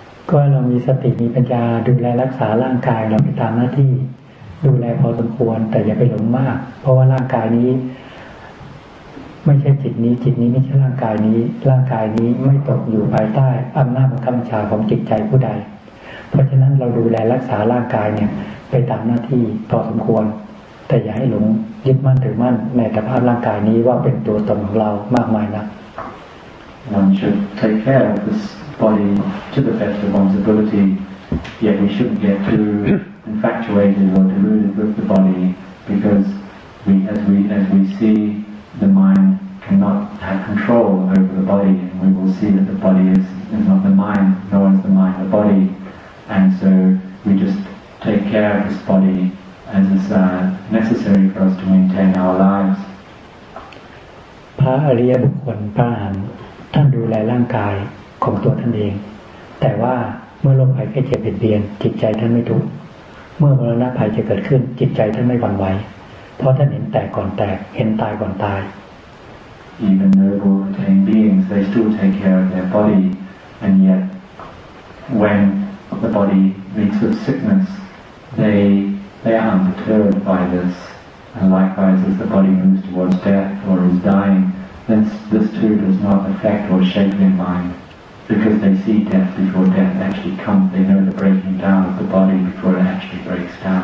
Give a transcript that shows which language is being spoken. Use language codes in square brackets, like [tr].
[th] ก็เรามีสติมีปัญญาดูแลรักษาร่างกายเราไปตามหน้าที่ดูแลพอสมควรแต่อย่าไปหลงมากเพราะว่าร่างกายนี้ไม่ใช่จิตนี้ไม่ใช่ร่างกายนี้ร่างกายนี้ไม่ตกอยู่ภายใต้อำนาจของกรรมชาของจิตใจผู้ใดเพราะฉะนั้นเราดูแลรักษาร่างกายเนี่ยไปตามหน้าที่พอสมควรแต่อย่าให้หลงยึดมั่นถือมั่นในสภาพร่างกายนี้ว่าเป็นตัวตนของเรามากมายนัก [en] One should take care of thisbody to the best of one's ability, yet we shouldn't get too infatuated or deluded with the body, because as we see, the mind cannot have control over the body, and we will see that the body is not the mind, nor is the mind the body, and so we just take care of this body as is necessary for us to maintain our lives. [th] พระอริยบุคคลพระอรหันต์ท่านดูแลร่างกายของตัวท่านเองแต่ว่าเมื่อโรคภัยไข้เจ็บเบียดเบียนจิตใจท่านไม่ทุกข์เมื่อมรณะภัยจะเกิดขึ้นจิตใจท่านไม่หวั่นไหวเพราะท่านเห็นแตกก่อนแตกเห็นตายก่อนตาย [en] Even noble attained beings they still take care of their body and yet when the body meets with sickness they are undeterred by this and likewise as the body moves towards death or is dying this too does not affect or shake their mindBecause they see death before death actually comes, they know the breaking down of the body before it actually breaks down.